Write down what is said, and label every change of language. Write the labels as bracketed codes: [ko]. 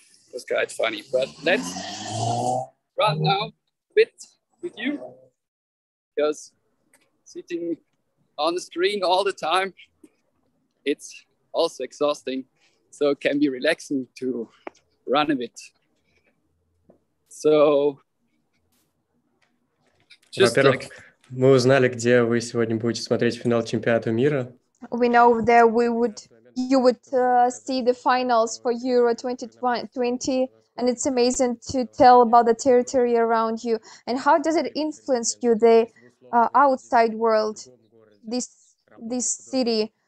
[en] It was quite funny, but let's run now a bit with you, because sitting on the screen all the time, it's also exhausting, so it can be relaxing to run a bit. So, [ru] just like, мы узнали, где вы сегодня будете смотреть финал чемпионата мира. [en] We know that you would see the finals for Euro 2020. And it's amazing to tell about the territory around you. And how does it influence you, the outside world, this city?